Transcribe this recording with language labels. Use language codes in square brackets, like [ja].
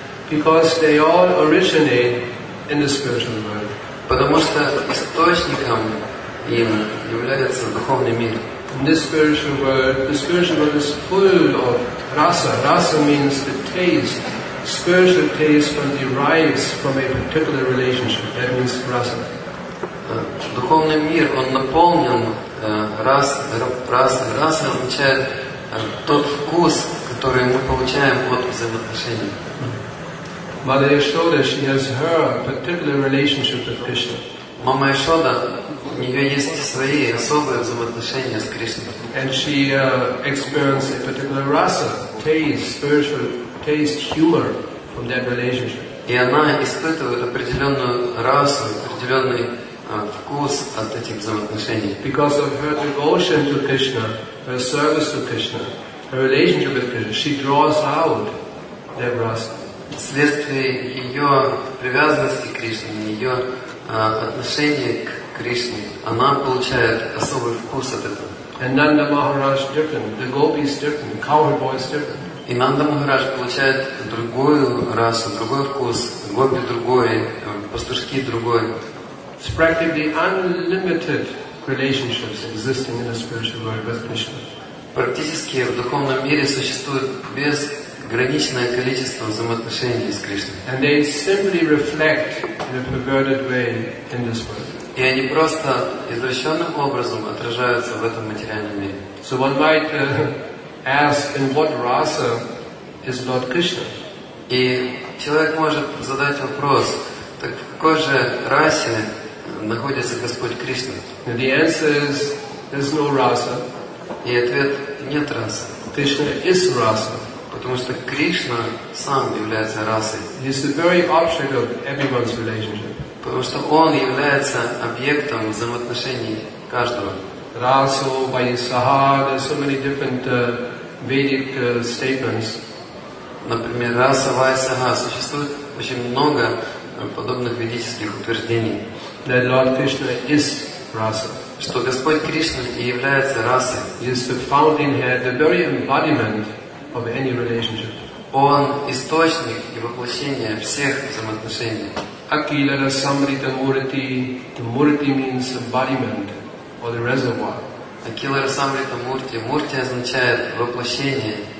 [en] Because they all originate in the spiritual world. [ru] Потому что источником им является духовный мир. [en] In the spiritual world is full of rasa. Rasa means the taste. Spiritual taste from derives from a particular relationship. That means rasa. [ru] Духовный мир, он наполнен раса означает тот вкус, который мы получаем от взаимоотношений. [en] Mama Yashoda, she has her particular relationship with Krishna. [ru] Мама Яшода, у нее есть свои особые взаимоотношения с Кришной. [en] And she experienced a particular rasa, taste, spiritual taste, humor from that relationship. [ru] И она испытывает определенную расу, определенный вкус от этих взаимоотношений. [en] Because of her devotion to Krishna, her service to Krishna, her relationship with Krishna, she draws out that rasa. [ru] Вследствие ее привязанности к Кришне, ее отношения к Кришне, она получает особый вкус от этого. [en] And Nanda Maharaj different, the gopis different, the cowherd boys different. [ru] И Нанда Махарадж получает другую расу, другой вкус, гопи другой, пастушки другой. [en] It's practically unlimited relationships existing in the spiritual world with Krishna. [ru] Практически в духовном мире существует безграничное количество взаимоотношений с Кришной. [en] And they simply reflect in a perverted way in this world. [ru] И они просто извращенным образом отражаются в этом материальном мире. [en] So one might ask, in what rasa is Lord Krishna? [ru] И человек может задать вопрос, так в какой же расе находится Господь Кришна? [en] And the answer is, there's no rasa. [ru] И ответ, нет расы. [en] Krishna is rasa. [ru] Потому что Кришна сам является расой. [en] He's the very object of everyone's relationship. [ru] Потому что он является объектом взаимоотношений каждого. [en] Rasa, Vaisaha, there's so many different Vedic statements. [ru] Например, Rasa, Vaisaha, существует очень много подобных ведических утверждений. [en] That Lord Krishna is Rasa. [ru] Что Господь Кришна и является Расой. [en] He is the fountainhead, the very embodiment of any relationship. [ru] Он источник и воплощение всех взаимоотношений. [sa] Akila rasamrita murti. [en] The murti means embodiment or the reservoir. [sa] Akila rasamrita murti. [ru] Murti означает воплощение.